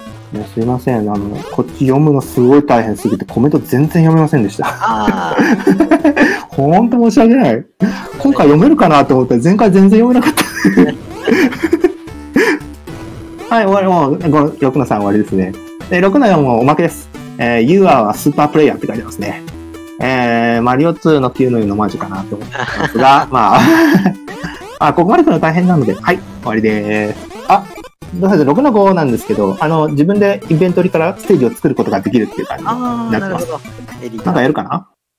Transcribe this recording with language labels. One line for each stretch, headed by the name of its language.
Japanese: いや、すいません。こっち読むのすごい大変すぎて、コメント全然読めませんでした。あほんと申し訳ない。今回読めるかなと思ったら、前回全然読めなかった。はい、終わり、もう、6の3終わりですね。 6の4もおまけです。
English: You are a super player
Japanese: って書いてますね。マリオ2の9の4のマジかなと思ってますが、まあ、あ、ここまで来るの大変なので、はい、終わりでーす。あ、6の5なんですけど、自分でインベントリからステージを作ることができるっていう感じになってます。なんかやるかな？